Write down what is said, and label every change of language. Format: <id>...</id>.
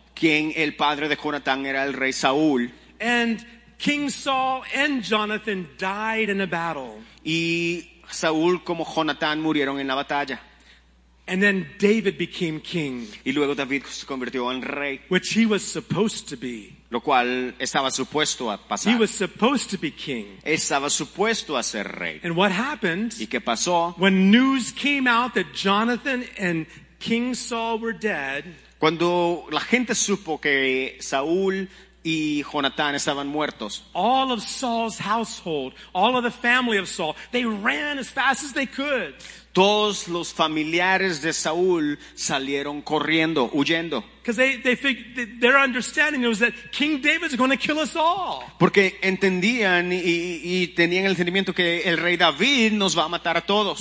<es>Quien el padre de Jonathan era el rey Saúl.</es> <en>And King Saul and Jonathan died in a battle.</en> <es>Y Saúl como Jonathan murieron en la batalla.</es> <en>And then David became king.</en> <es>Y luego David se convirtió en rey.</es> <en>Which he was supposed to be.</en> <es>Lo cual estaba supuesto a pasar.</es> <en>He was supposed to be king.</en> <es>Estaba supuesto a ser rey.</es> <en>And what happened?</en> <es>¿Y qué pasó?</es> <en>When news came out that Jonathan and King Saul were dead.</en> <es>Cuando la gente supo que Saúl y Jonathan estaban muertos.</es> <en>All of Saul's household, all of the family of Saul, they ran as fast as they could.</en> <es>Todos los familiares de Saúl salieron corriendo, huyendo.</es> <en>Because their understanding was that King David is going to kill us all.</en> <es>Porque entendían y tenían el entendimiento que el rey David nos va a matar a todos.</es>